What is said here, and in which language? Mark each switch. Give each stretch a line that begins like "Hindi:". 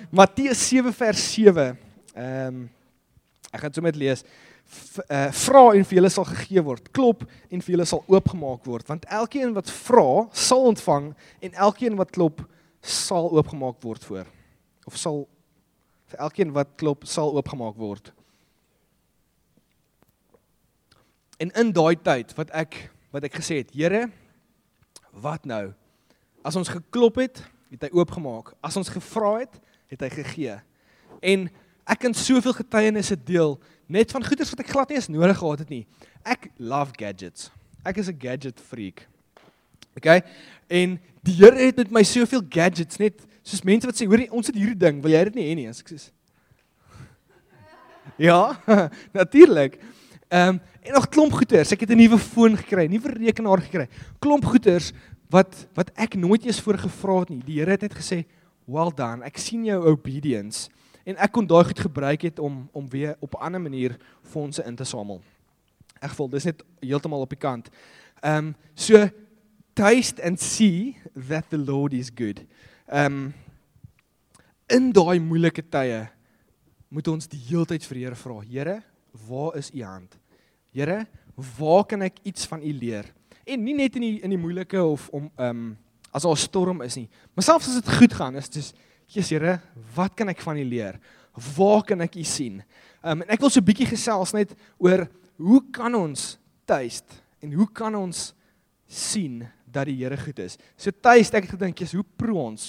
Afrikaans: Matteus 7 vers 7, ek gaan so met lees, vra en vir julle sal gegee word, klop en vir julle sal oopgemaak word, want elkeen wat vra sal ontvang en elkeen wat klop sal oopgemaak word voor, of sal, vir elkeen wat klop sal oopgemaak word. En in daai tyd wat ek gesê het, Here, wat nou? As ons geklop het, het hy oopgemaak. As ons gevra het hy gegee. En ek kan soveel getuienisse deel, net van goeders wat ek glad nie eens nodig gehad het nie. Ek love gadgets. Ek is 'n gadget freak. Okay? En die Here het met my soveel gadgets, net soos mense wat sê, hoor, ons het hierdie ding, wil jy dit nie hê nie? Ek sê, ja, natuurlik. En nog klomp goeders, ek het 'n nuwe foon gekry, 'n nuwe rekenaar gekry, klomp goeders wat ek nooit eens voor gevra het nie. Die Here het net gesê,
English: well done,
Afrikaans: ek sien jou obedience, en ek kon daai goed gebruik het om weer op 'n ander manier fondse in te samel. Ek voel, dis net heeltemal op die kant.
English: So, taste and see that the Lord is good.
Afrikaans: In daai moeilike tye, moet ons die heeltyd vir Here vra, Here, waar is u hand? Here, waar kan ek iets van u leer? En nie net in die moeilike of om as al storm is nie. Maar selfs as dit goed gaan, is dit soos, Jesus Here, wat kan ek van U leer? Waar kan ek U sien? En ek wil so 'n bietjie gesels net oor hoe kan ons tuist en hoe kan ons sien dat die Here goed is? So tuist, ek het gedink, Jesus, hoe proe ons?